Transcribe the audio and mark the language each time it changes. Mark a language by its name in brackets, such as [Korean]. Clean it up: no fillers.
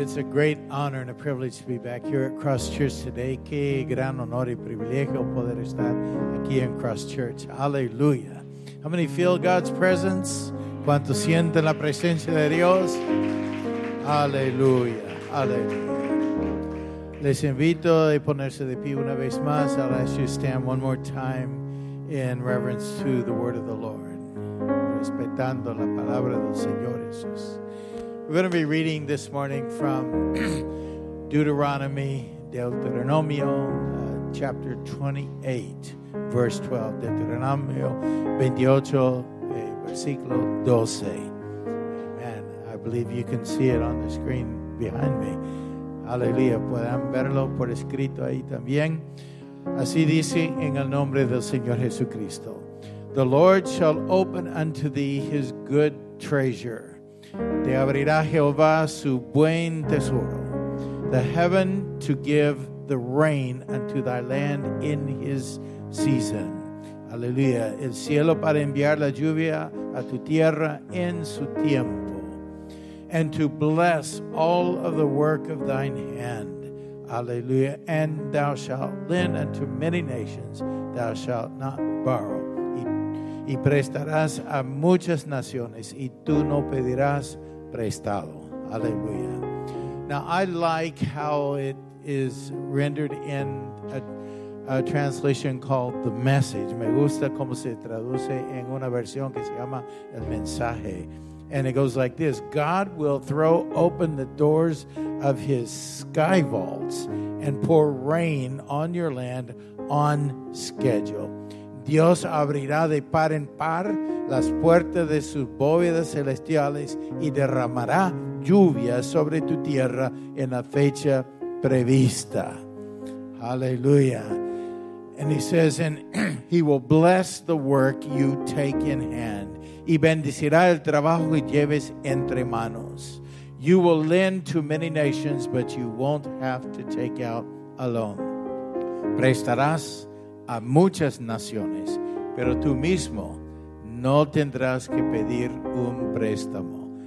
[English] It's a great honor and a privilege to be back here at Cross Church today. [Spanish] Qué gran honor y privilegio poder estar aquí en Cross Church. [English] Hallelujah. How many feel God's presence? [Spanish] ¿Cuánto sienten la presencia de Dios? Hallelujah. [English] Hallelujah. [Spanish] Les invito a ponerse de pie una vez más. [English] I'll ask you to stand one more time. In reverence to the word of the Lord. [Spanish] Respetando la palabra del Señor Jesús. [English] We're going to be reading this morning from Deuteronomy, Deuteronomio, chapter 28, verse 12. [Spanish] Deuteronomio 28, versículo 12. [English] Amen. I believe you can see it on the screen behind me. [Spanish] Aleluya. Pueden verlo por escrito ahí también. Así dice en el nombre del Señor Jesucristo. [English] The Lord shall open unto thee his good treasure. [Spanish] Te abrirá Jehová su buen tesoro. [English] The heaven to give the rain unto thy land in his season. [Spanish] Aleluya. El cielo para enviar la lluvia a tu tierra en su tiempo. [English] And to bless all of the work of thine hand. Hallelujah. And thou shalt lend unto many nations, thou shalt not borrow. [Spanish] Y prestarás a muchas naciones, y tú no pedirás prestado. [English] Hallelujah. Now, I like how it is rendered in a translation called The Message. [Spanish] Me gusta cómo se traduce en una versión que se llama El Mensaje. [English] And it goes like this: God will throw open the doors of his sky vaults and pour rain on your land on schedule. [Spanish] Dios abrirá de par en par las puertas de sus bóvedas celestiales y derramará lluvia sobre tu tierra en la fecha prevista. [English] Hallelujah. And he says, and he will bless the work you take in hand. [Spanish] Y bendecirá el trabajo que lleves entre manos. [English] You will lend to many nations, but you won't have to take out a loan. [Spanish] Prestarás a muchas naciones, pero tú mismo no tendrás que pedir un préstamo.